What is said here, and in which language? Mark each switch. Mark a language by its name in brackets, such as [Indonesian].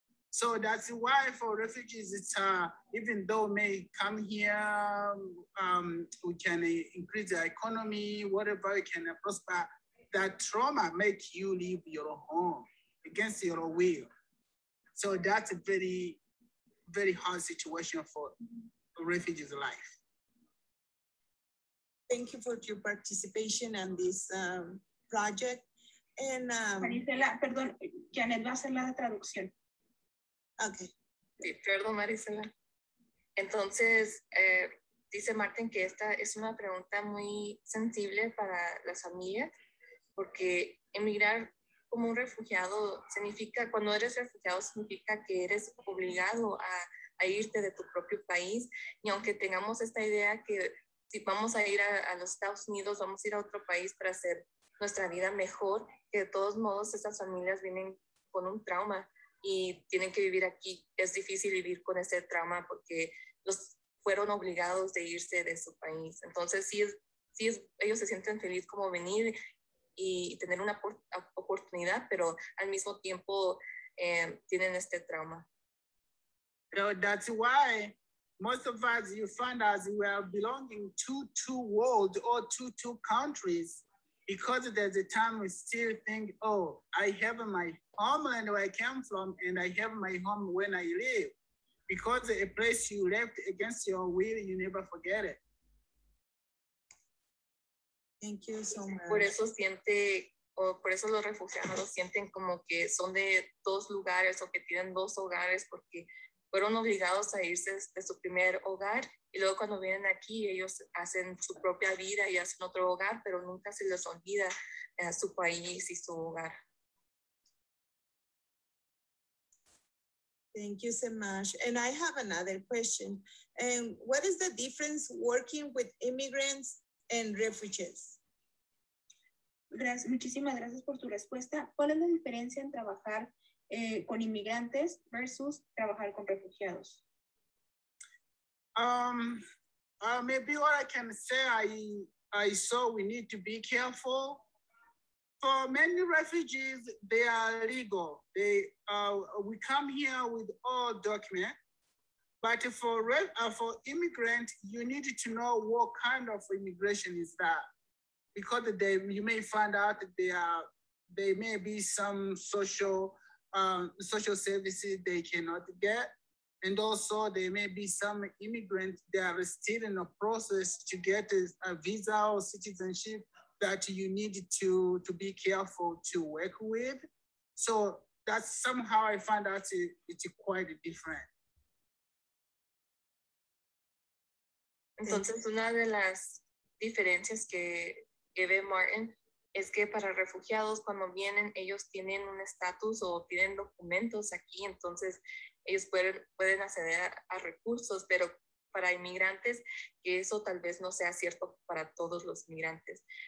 [English] So that's why for refugees, it's even though may come here, we can increase the economy, whatever, we can prosper, that trauma make you leave your home against your will. So that's a very, very hard situation for refugees life. Thank you for your participation in this project. And [Spanish] Marisela, perdón, Janet va a hacer la traducción. [English] Okay. [Spanish] Sí, perdón, Marisela. Entonces, dice Martin que esta es una pregunta muy sensible para las familias, porque emigrar como un refugiado significa, cuando eres refugiado, significa que eres obligado a irte de tu propio país. Y aunque tengamos esta idea que si vamos a ir a los Estados Unidos, vamos a ir a otro país para hacer nuestra vida mejor, que de todos modos estas familias vienen con un trauma y tienen que vivir aquí. Es difícil vivir con ese trauma porque los fueron obligados de irse de su país. Entonces, sí, ellos se sienten felices como venir y tener una oportunidad, pero al mismo tiempo tienen este trauma. [English] So that's why most of us, you find us, we are belonging to two worlds or to two countries, because there's a time we still think, oh, I have my homeland where I came from, and I have my home when I live. Because a place you left against your will, you never forget it. Thank you so much. [Spanish] Por eso siente, o por eso los refugiados lo sienten como que son de dos lugares o que tienen dos hogares porque fueron obligados a irse de su primer hogar y luego cuando vienen aquí ellos hacen su propia vida y hacen otro hogar, pero nunca se les olvida su país y su hogar. [English] Thank you so much. And I have another question. What is the difference working with immigrants and refugees? [Spanish] Gracias, muchísimas gracias por tu respuesta. ¿Cuál es la diferencia en trabajar con inmigrantes versus trabajar con refugiados? [English] Maybe what I can say, I saw we need to be careful. For many refugees, they are legal. We come here with all documents. But for immigrants, you need to know what kind of immigration is that. Because you may find out that they may be some social services they cannot get. And also there may be some immigrants that are still in the process to get a visa or citizenship that you need to be careful to work with. So that's somehow I find out it's quite different. [Spanish] Entonces, una de las diferencias que ve Martin es que para refugiados, cuando vienen, ellos tienen un estatus o tienen documentos aquí, entonces ellos pueden acceder a recursos, pero para inmigrantes, que eso tal vez no sea cierto para todos los inmigrantes.